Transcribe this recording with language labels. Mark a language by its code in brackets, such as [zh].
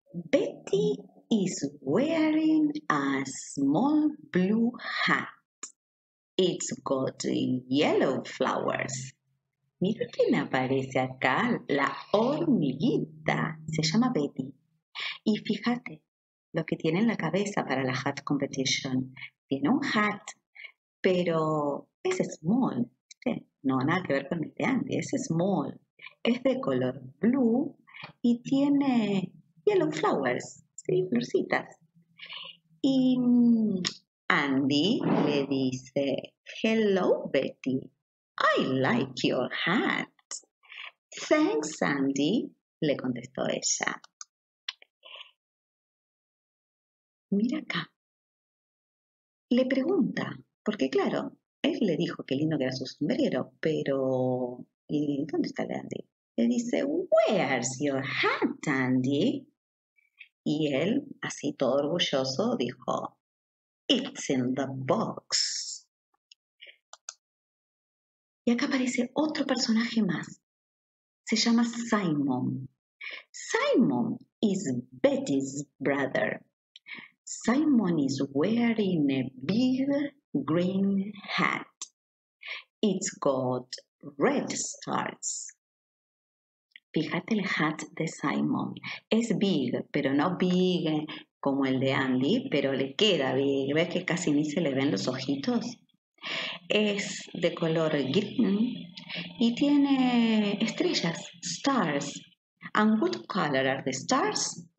[en] Betty is wearing a small blue hat. It's got yellow flowers. [es] Mira quién aparece acá, la hormiguita. Se llama Betty. Y fíjate lo que tiene en la cabeza para la [en] hat competition. [es] Tiene un hat, pero es small. ¿Viste? No, nada que ver con el de Andy, es small. Es de color blue y tiene [en] yellow flowers, [es] sí, florcitas. Y Andy le dice, hello, Betty. [en] I like your hat. Thanks, Andy, [es] le contestó ella. Mira acá. Le pregunta, porque claro, él le dijo qué lindo que era su sombrero, pero ¿y dónde está el de Andy? le dice, [en] where's your hat, Andy? [es] Y él, así todo orgulloso, dijo, [en] it's in the box. [es] Y acá aparece otro personaje más. Se llama Simon. [en] Simon is Betty's brother. Simon is wearing a big green hat. It's got red stars. [es] Fíjate el hat de Simon. Es big, pero no big como el de Andy, pero le queda big. ¿Ves que casi ni se le ven los ojitos? Es de color green y tiene estrellas, stars. [en] And what color are the stars?